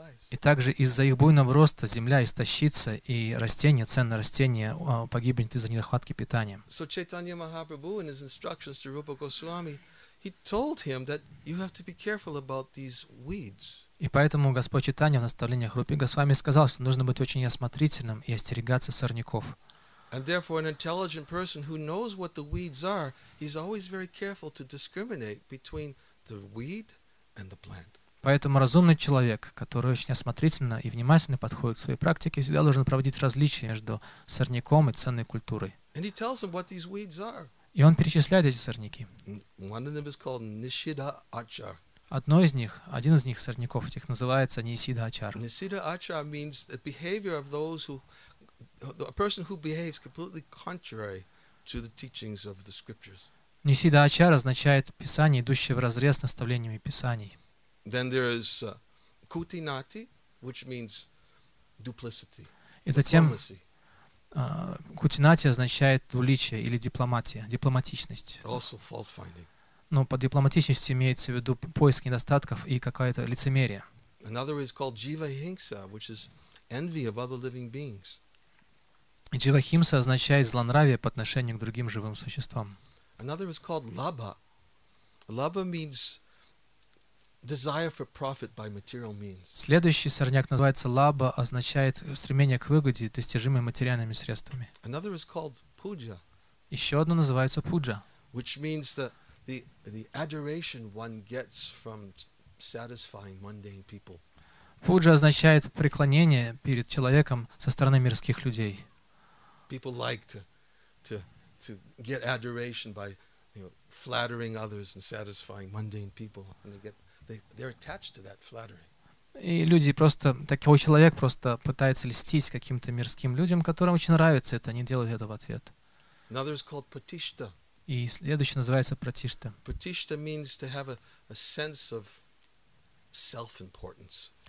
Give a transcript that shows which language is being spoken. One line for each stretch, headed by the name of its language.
Russian: И также из-за их буйного роста земля истощится, и растение, ценное растение, погибнет из-за недохватки питания.
English: So Chaitanya Mahaprabhu in his instructions to Rupa Goswami, he told him that you have to be careful about these weeds.
Russian: И поэтому Господь Чайтанья в наставлениях Рупе Госвами сказал, что нужно быть очень осмотрительным и остерегаться сорняков.
English: And therefore an intelligent person who knows what the weeds are, he's always very careful to discriminate between the weed and the plant.
Russian: Поэтому разумный человек, который очень осмотрительно и внимательно подходит к своей практике, всегда должен проводить различия между сорняком и ценной культурой.
English: And he tells him what these weeds are.
Russian: И он перечисляет эти сорняки.
English: One of them is called Nishida Achar.
Russian: Один из них сорняков этих называется Нисида Ачар.
English: Нисида Ачар means the behavior of those who, a person who behaves completely contrary to the teachings of the scriptures.
Russian: Нисида Ачар означает писание, идущее вразрез с наставлениями писаний.
English: Then there is Кутинати, which means duplicity.
Russian: И затем Кутинати означает двуличие или дипломатия, дипломатичность.
English: Also fault finding.
Russian: Но под дипломатичностью имеется в виду поиск недостатков и какая-то лицемерие.
English: Another is called jivahimsa, which is envy of other living beings.
Russian: Jivahimsa означает злонравие по отношению к другим живым существам.
English: Another is called labha. Labha means desire for profit by material means.
Russian: Следующий сорняк называется лабха, означает стремление к выгоде, достижимой материальными средствами.
English: Another is called puja.
Russian: Еще одно называется пуджа.
English: Which means that the adoration one gets from satisfying mundane people.
Russian: Пуджа означает преклонение перед человеком со стороны мирских людей.
English: People like to get adoration by, you know, flattering others and satisfying mundane people, and they're attached to that flattery.
Russian: И люди просто, такой человек просто пытается льстить каким-то мирским людям, которым очень нравится это, они делают это в ответ.
English: Another is called patishta.
Russian: И следующий называется пратишта.
English: Пратишта means to have a sense of self-importance.